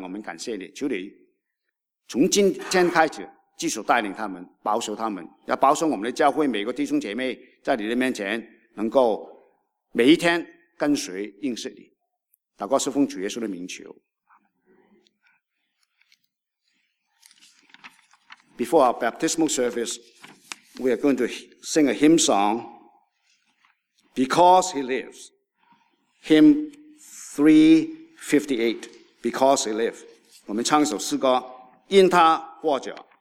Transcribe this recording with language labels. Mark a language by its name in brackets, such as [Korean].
[Chinese] 我们感谢你，求你从今天开始继续带领他们，保守他们，要保守我们的教会每个弟兄姐妹在你的面前能够每一天跟随认识你。祷告是奉主耶稣的名求。 [English] Before our baptismal service, we are going to sing a hymn song, Because He Lives, Hymn 358, Because He Lives. [Chinese] 我们唱一首诗歌，因他活着。